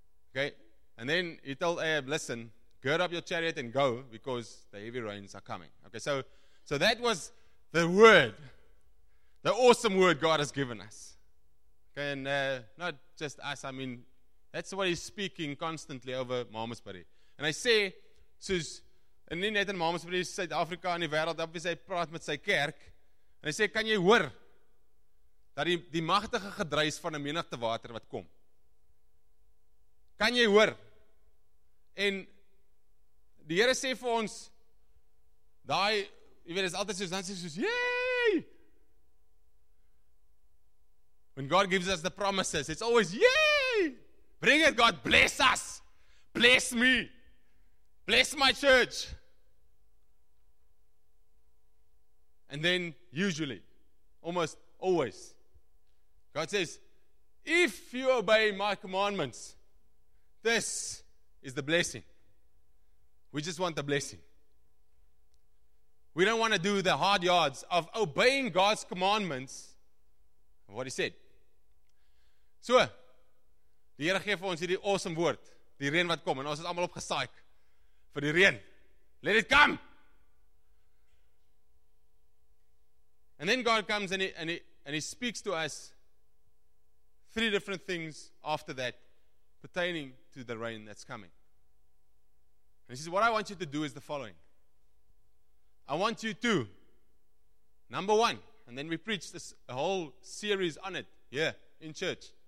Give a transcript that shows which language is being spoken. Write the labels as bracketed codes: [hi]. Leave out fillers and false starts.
[en] Okay, and then he told Ahab, listen, gird up your chariot and go, because the heavy rains are coming. Okay, so that was the word, the awesome word God has given us. Okay, and not just us, I mean, that's what he's speaking constantly over Mamasbury. And I say, [af] soos, en nie net in Mamasbury, Suid-Afrika en die wereld, op wie sy praat met sy kerk, en hy sê, kan jy hoor, dat die magtige gedruis van 'n menigte water wat kom? Kan jy hoor? En die Here sê vir ons, daai, jy weet, is altyd soos, dan sê soos, yay! [en] When God gives us the promises, it's always, yay! Bring it, God, bless us! Bless me! Bless my church! And then, usually, almost always, God says, if you obey my commandments, this is the blessing. We just want the blessing. We don't want to do the hard yards of obeying God's commandments, what he said. [af] So, die Here gee vir ons hierdie awesome woord, die reën wat kom, en ons is allemaal opgesaai vir die reën. [en] Let it come! And then God comes and he speaks to us 3 different things after that pertaining to the rain that's coming. And he says, what I want you to do is the following. I want you to, number one, and then we preach this a whole series on it here in church.